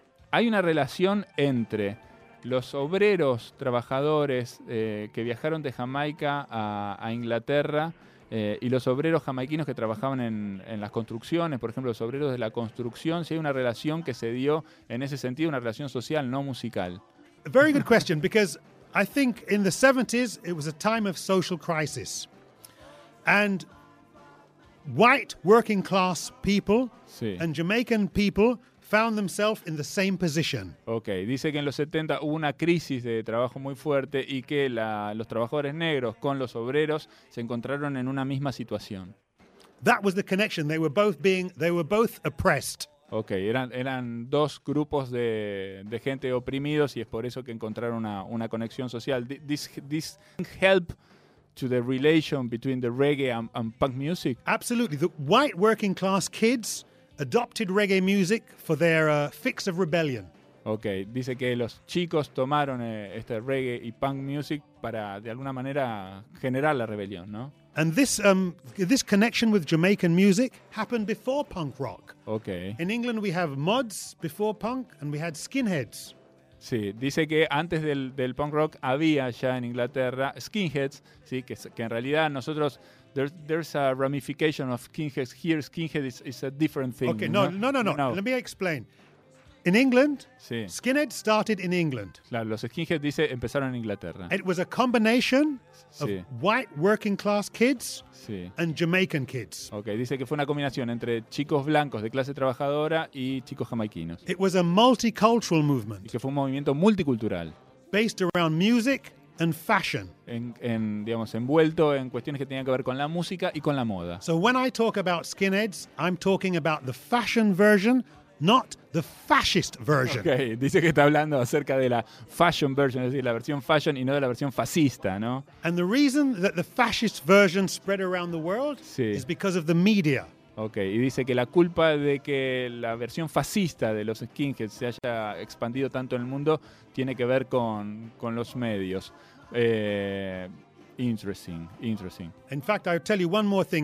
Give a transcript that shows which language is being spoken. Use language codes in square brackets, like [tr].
[es] Hay una relación entre los obreros trabajadores que viajaron de Jamaica a Inglaterra y los obreros jamaiquinos que trabajaban en las construcciones, por ejemplo, los obreros de la construcción, si hay una relación que se dio en ese sentido, una relación social, no musical. [en] A very good question, because I think in the 70s it was a time of social crisis. And white working class people and Jamaican people found themselves in the same position. [es] Okay, dice que en los 70 hubo una crisis de trabajo muy fuerte y que los trabajadores negros con los obreros se encontraron en una misma situación. [en] That was the connection. They were both oppressed. [es] Okay, eran dos grupos de gente oprimidos y es por eso que encontraron una conexión social. [en] This help to the relation between the reggae and punk music. Absolutely. The white working class kids adopted reggae music for their fix of rebellion. [es] Okay, dice que los chicos tomaron este reggae y punk music para de alguna manera generar la rebelión, ¿no? [en] And this connection with Jamaican music happened before punk rock. Okay. In England we have mods before punk and we had skinheads. [es] Sí, dice que antes del punk rock había ya en Inglaterra skinheads, sí, que en realidad nosotros, [en] there's a ramification of skinheads here. Skinhead is a different thing. Okay, no. Let me explain. In England, sí. Skinhead started in England. [es] Claro, los skinheads, dice, empezaron en Inglaterra. [en] It was a combination of sí. white working class kids sí. and Jamaican kids. [es] Okay, dice que fue una combinación entre chicos blancos de clase trabajadora y chicos jamaiquinos. [en] It was a multicultural movement. [es] Y que fue un movimiento multicultural. [en] Based around music and fashion. [es] En digamos, envuelto en cuestiones que tenían que ver con la música y con la moda. [en] So when I talk about skinheads, I'm talking about the fashion version. Not the fascist version. [es] Okay, dice que está hablando acerca de la fashion version, es decir, la versión fashion y no de la versión fascista, ¿no? [en] And the reason that the fascist version spread around the world sí. is because of the media. [es] Okay, y dice que la culpa de que la versión fascista de los skinheads se haya expandido tanto en el mundo tiene que ver con los medios. [en] Interesting. In fact, I'll tell you one more thing.